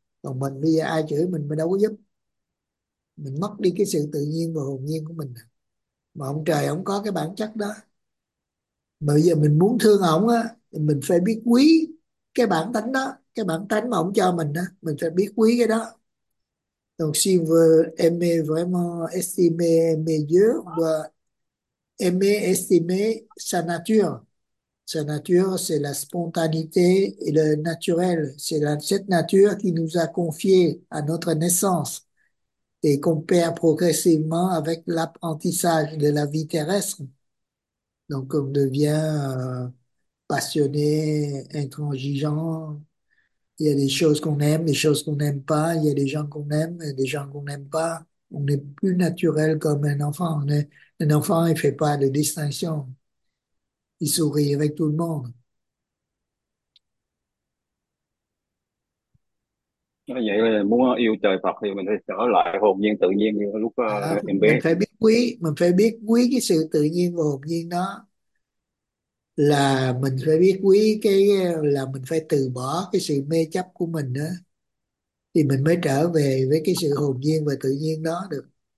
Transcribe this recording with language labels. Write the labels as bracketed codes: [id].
[vi] Còn mình bây giờ ai chửi mình đâu có giúp, mình mất đi cái sự tự nhiên và hồn nhiên của mình, mà ông trời ông có cái bản chất đó. Bây giờ mình muốn thương ông á, thì mình phải biết quý cái bản tánh đó, cái bản tánh mà ông cho mình đó, mình phải biết quý cái đó. [fr] Donc si vous aimez vraiment estimer mes yeux và aimer estimer sa nature c'est la spontanéité et le naturel, c'est la cette nature qui nous a confié à notre naissance et qu'on perd progressivement avec l'apprentissage de la vie terrestre. Donc on devient passionné, intransigeant. Il y a des choses qu'on aime, des choses qu'on n'aime pas. Il y a des gens qu'on aime, des gens qu'on n'aime pas. On n'est plus naturel comme un enfant. Un enfant, il fait pas de distinction. Il sourit avec tout le monde. [vi] Vậy là muốn yêu trời Phật thì mình phải trở lại hồn nhiên tự nhiên như lúc À, em bé. mình phải biết quý cái sự tự nhiên và hồn nhiên đó. Là mình phải biết quý cái, là mình phải từ bỏ cái sự mê chấp của mình đó, thì mình mới trở về với cái sự hồn nhiên và tự nhiên đó được.